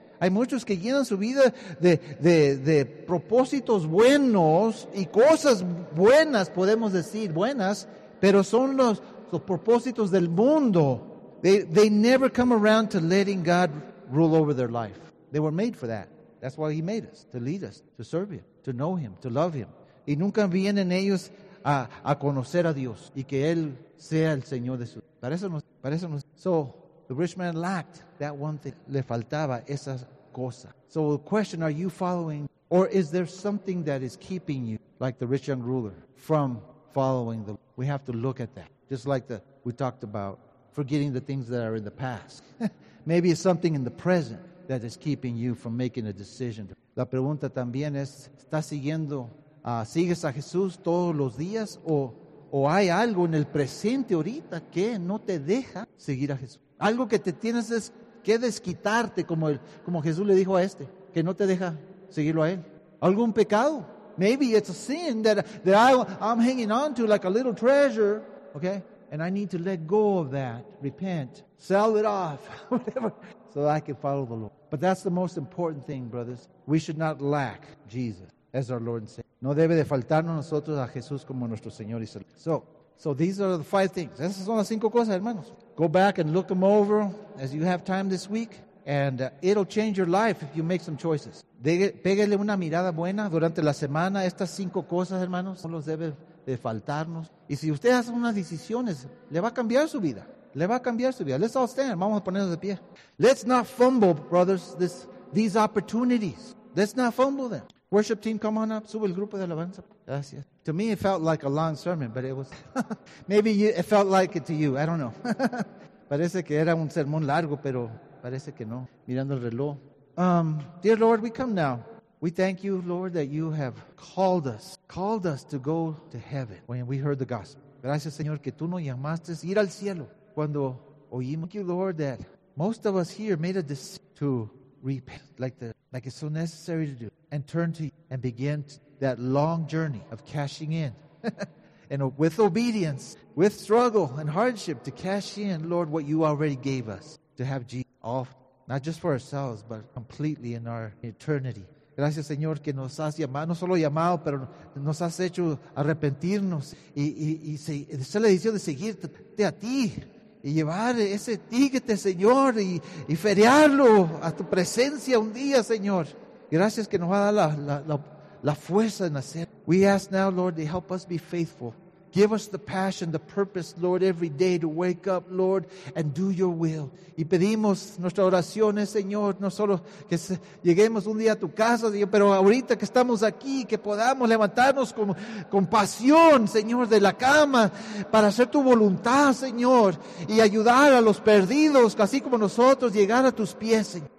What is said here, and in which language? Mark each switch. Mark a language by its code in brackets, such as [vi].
[es] Hay muchos que llenan su vida de propósitos buenos y cosas buenas, podemos decir buenas, pero son los propósitos del mundo. [en] They never come around to letting God rule over their life. They were made for that. That's why he made us, to lead us, to serve him, to know him, to love him. [es] Y nunca vienen ellos a conocer a Dios y que él sea el Señor de su vida. Parece nos. [en] So the rich man lacked that one thing. [es] Le faltaba esa cosa. [en] So the question, are you following, or is there something that is keeping you, like the rich young ruler, from following the Lord? We have to look at that. Just like we talked about forgetting the things that are in the past. Maybe it's something in the present that is keeping you from making a decision. [es] La pregunta también es, ¿estás siguiendo, sigues a Jesús todos los días o hay algo en el presente ahorita que no te deja seguir a Jesús? Algo que te tienes que desquitarte, como Jesús le dijo a este, que no te deja seguirlo a él. ¿Algún pecado? [en] Maybe it's a sin that I'm hanging on to like a little treasure, okay? And I need to let go of that, repent, sell it off, whatever, so that I can follow the Lord. But that's the most important thing, brothers. We should not lack Jesus, as our Lord said. [es] No debe de faltarnos nosotros a Jesús como nuestro Señor y Salvador. [en] So these are the five things. [es] Esas son las cinco cosas, hermanos. [en] Go back and look them over as you have time this week. And it'll change your life if you make some choices. [es] Pégale una mirada buena durante la semana. Estas cinco cosas, hermanos, no los debe de faltarnos. Y si usted hace unas decisiones, le va a cambiar su vida. Le va a cambiar su vida. [en] Let's all stand. [es] Vamos a ponernos de pie. [en] Let's not fumble, brothers, these opportunities. Let's not fumble them. Worship team, come on up. [es] Sube el grupo de alabanza. Gracias. [en] To me, it felt like a long sermon, but it was... Maybe it felt like it to you. I don't know. [es] Parece que era un sermón largo, pero... Parece que no, mirando el reloj. [en] Dear Lord, we come now. We thank you, Lord, that you have called us to go to heaven when we heard the gospel. [es] Gracias, Señor, que tú nos llamaste a ir al cielo cuando oímos. [en] Thank you, Lord, that most of us here made a decision to repent, like it's so necessary to do, and turn to you and begin that long journey of cashing in. And with obedience, with struggle and hardship to cash in, Lord, what you already gave us, to have Jesus. Off, not just for ourselves, but completely in our eternity. [es] Gracias, Señor, que nos has llamado, no solo llamado, pero nos has hecho arrepentirnos y se le dio de seguirte a ti y llevar ese tíquete, Señor, y feriarlo a tu presencia un día, Señor. Gracias que nos va a dar la fuerza en hacer. [en] We ask now, Lord, to help us be faithful. Give us the passion, the purpose, Lord, every day to wake up, Lord, and do your will. [es] Y pedimos nuestras oraciones, Señor, no solo que lleguemos un día a tu casa, pero ahorita que estamos aquí, que podamos levantarnos con pasión, Señor, de la cama, para hacer tu voluntad, Señor, y ayudar a los perdidos, así como nosotros, llegar a tus pies, Señor.